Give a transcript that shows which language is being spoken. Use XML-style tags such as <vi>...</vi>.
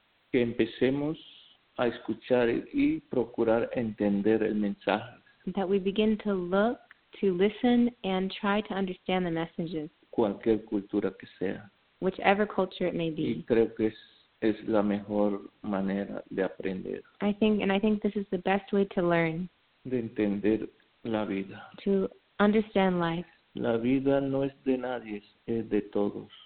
<es>que empecemos a escuchar y procurar entender el mensaje,</es> <en>that we begin to look, to listen, and try to understand the messages,</en> <es>cualquier cultura que sea,</es> <en>whichever culture it may be.</en> <es>Y creo que es la mejor manera de aprender.</es> <en>I think this is the best way to learn.</en> <es>De entender la vida.</es> <en>To understand life.</en> <es>La vida no es de nadie, es de todos.</es>